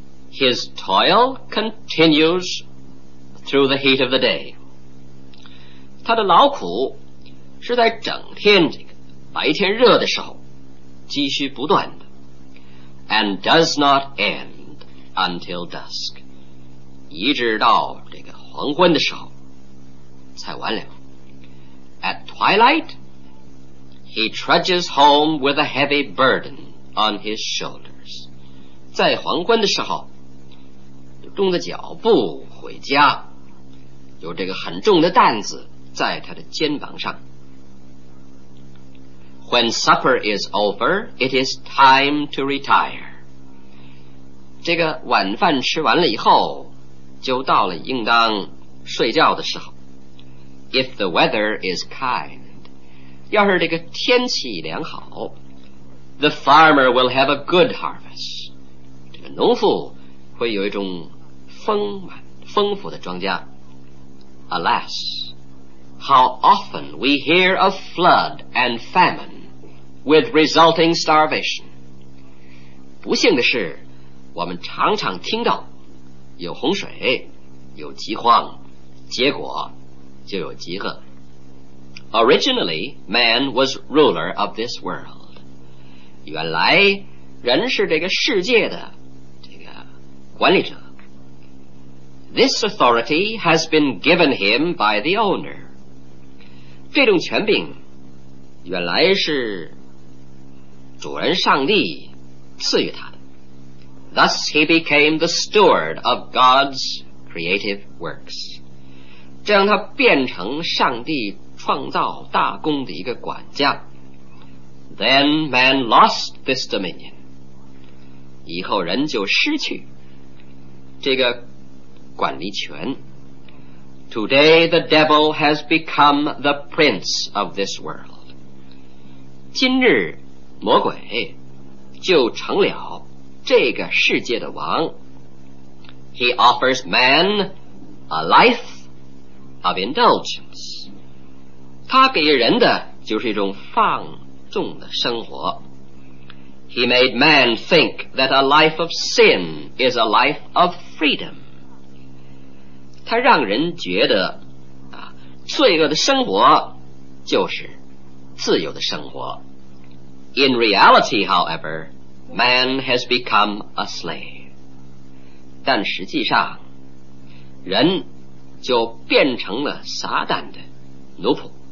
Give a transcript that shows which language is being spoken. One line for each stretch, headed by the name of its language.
English: His toil continues through the heat of the day.
Chinese: 他的劳苦是在整天这个白天热的时候继续不断的。
English: And does not end until dusk.
Chinese: 一直到这个黄昏的时候才完了。
English: At twilight, he trudges home with a heavy burden on his shoulders.
Chinese: 在黄昏的时候重着脚步回家有这个很重的担子在他的肩膀上。
English: When supper is over, it is time to retire.
Chinese: 这个晚饭吃完了以后就到了应当睡觉的时候。
English: If the weather is kind,
Chinese: 要是这个天气良好
English: the farmer will have a good harvest.
Chinese: 这个农夫会有一种丰富的庄稼。
English: Alas, how often we hear of flood and famine with resulting starvation.
Chinese: 不幸的是我们常常听到有洪水有饥荒结果就有饥饿。
English: Originally, man was ruler of this world.
Chinese: 原来人是这个世界的这个管理者。
English: This authority has been given him by the owner.
Chinese: 这种权柄原来是主人上帝赐予他的。
English: Thus he became the steward of God's creative works.
Chinese: 这样他变成上帝创造大功的一个管家。
English: Then man lost this dominion.
Chinese: 以后人就失去这个管理权。
English: Today the devil has become the prince of this world.
Chinese: 今日魔鬼就成了这个世界的王。
English: He offers man a life of indulgence.
Chinese: 他给人的就是一种放纵的生活。
English: He made man think that a life of sin is a life of freedom.
Chinese: 他让人觉得啊，罪恶的生活就是自由的生活。
English: In reality, however, man has become a slave.
Chinese: 但实际上，人就变成了撒旦的奴仆。